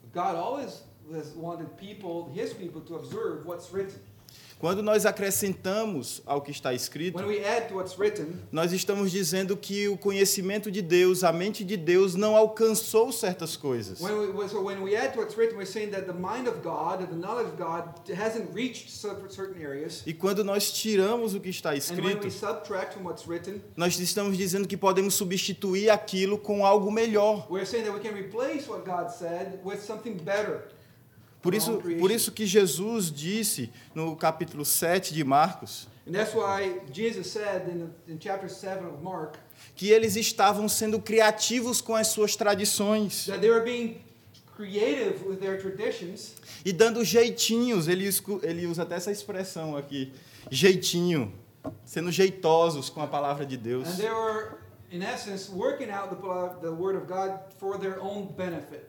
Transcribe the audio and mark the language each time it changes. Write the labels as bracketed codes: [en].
[en] God always has wanted people, his people, to observe what's written. [pt] Quando nós acrescentamos ao que está escrito, [en] when we add to what's written, [pt] nós estamos dizendo que o conhecimento de Deus, a mente de Deus, não alcançou certas coisas. [en] When we add to what's written, we're saying that the mind of God, the knowledge of God, hasn't reached certain areas. [pt] E quando nós tiramos o que está escrito, [en] and when we subtract from what's written, [pt] nós estamos dizendo que podemos substituir aquilo com algo melhor. [en] We're saying that we can replace what God said with something better. [pt] Por isso que Jesus disse no capítulo 7 de Marcos, [en] and that's why Jesus said in chapter 7 of Mark, [pt] que eles estavam sendo criativos com as suas tradições. [en] That they were being creative with their traditions, [pt] e dando jeitinhos, ele usa até essa expressão aqui, jeitinho, sendo jeitosos com a palavra de Deus. [en] And they were, in essence, working out the word of God for their own benefit.